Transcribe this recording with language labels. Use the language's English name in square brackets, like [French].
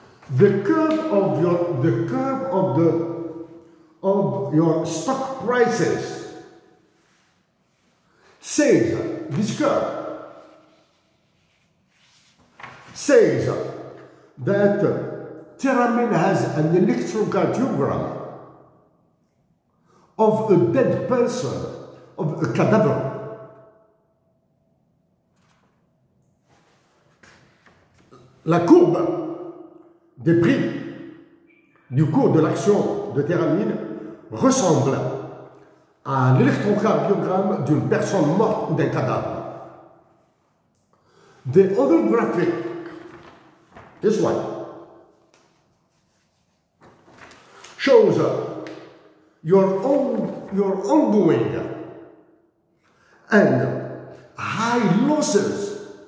[English] The curve of your stock prices says this curve says that Terramin has an electrocardiogram of a dead person, of a cadaver. [French] La courbe des prix du cours de l'action de Terramin ressemble à l'électrocardiogramme d'une personne morte ou d'un cadavre. [English] The other graphic, this one, shows your ongoing and high losses.